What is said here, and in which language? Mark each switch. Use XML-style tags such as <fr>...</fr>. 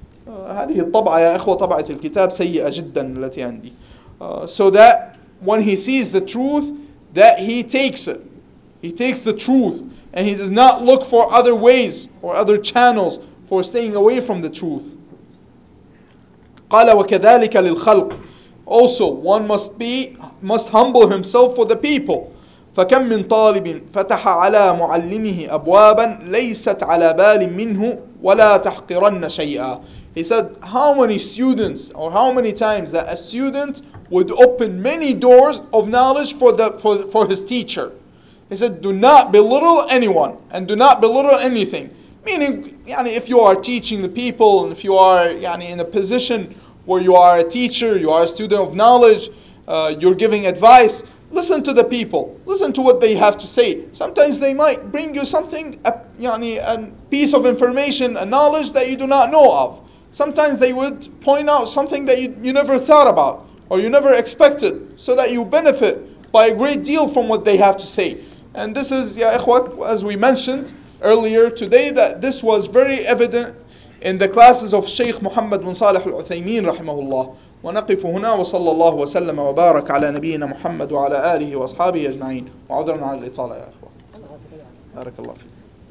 <ar>هذه الطبعة يا إخوة طبعة الكتاب سيئة جدا التي عندي.</ar> <en>So that when he sees the truth, that he takes it. He takes the truth and he does not look for other ways or other channels for staying away from the truth.</en> <ar>قال وكذلك للخلق.</ar> <en>Also, one must humble himself for the people.</en> <ar>فكم من طالب فتح على معلمه أبوابا ليست على بال منه ولا تحقرن شيئا.</ar> <en>He said, how many students or how many times that a student would open many doors of knowledge for his teacher. He said, do not belittle anyone and do not belittle anything. Meaning, يعني, if you are teaching the people and if you are يعني, in a position where you are a teacher, you are a student of knowledge, you're giving advice, listen to the people. Listen to what they have to say. Sometimes they might bring you something, يعني, a piece of information, a knowledge that you do not know of. Sometimes they would point out something that you never thought about or you never expected so that you benefit by a great deal from what they have to say. And this is,</en> <ar>ya ikhwat,</ar> <en>as we mentioned earlier today, that this was very evident in the classes of Shaykh Muhammad bin Salih al-Uthaymeen rahimahullah.</en> <ar>ونقف هنا وصلى الله وسلم وبارك على نبينا محمد وعلى آله وأصحابه أجمعين. وعذرا على الإطالة يا إخوة. بارك الله فيك.</ar>